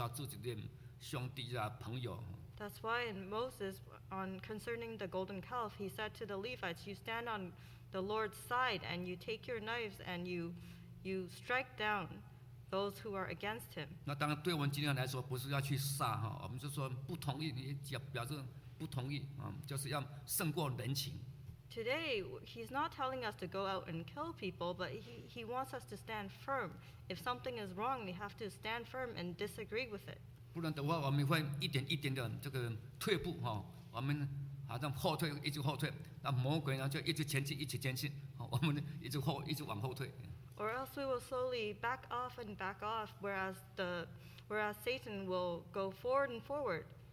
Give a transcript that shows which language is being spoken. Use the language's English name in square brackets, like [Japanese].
[Chinese] 所以我们看摩西才叫立位人，立位人站在神这边说，你们要配着刀，击杀自己的兄弟啊，朋友。 [English] That's why in Moses, on concerning the golden calf, he said to the Levites, you stand on the Lord's side, and you take your knives, and you strike down those who are against him. [Chinese] 那当然对我们今天来说不是要去杀，我们就说不同意，表示不同意，就是要胜过人情。 [English] Today, he's not telling us to go out and kill people, but he wants us to stand firm. If something is wrong, we have to stand firm and disagree with it. [Chinese] 不然的话，我们会一点一点的这个退步，我们好像后退，一直后退，那魔鬼呢就一直前进，一直前进，我们一直往后退。 [English] Or else we will slowly back off and back off, whereas Satan will go forward and forward.